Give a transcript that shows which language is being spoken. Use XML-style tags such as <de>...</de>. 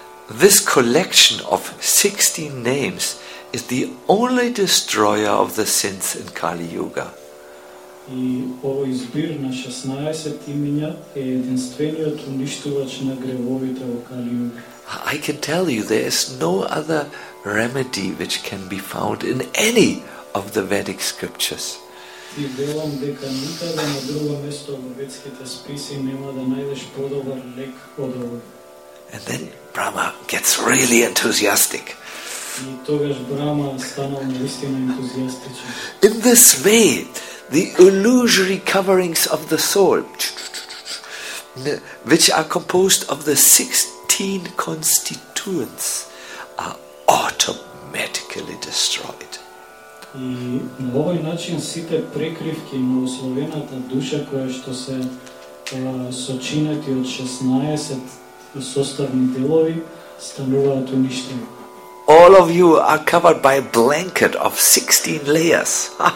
<en>This collection of 16 names is the only destroyer of the sins in Kali Yuga.</en> <mk>И овој збир на 16 имиња е единствениот уништувач на гревовите во Кали Југа.</mk> <en>I can tell you there is no other remedy which can be found in any of the Vedic scriptures.</en> <mk>И велам дека никаде на друго место во ведските списи нема да најдеш подобар лек од овој.</mk> <en>And then Brahma gets really enthusiastic.</en> <mk>И тогаш Брама станал наистина ентузијастичен.</mk> <en>In this way, the illusory coverings of the soul, which are composed of the 16 constituents, are automatically destroyed.</en> <mk>На овој начин сите прекривки на условената душа која што се сочинети од 16 составни делови стануваат уништени.</mk> <en>All of you are covered by a blanket of 16 layers.</en>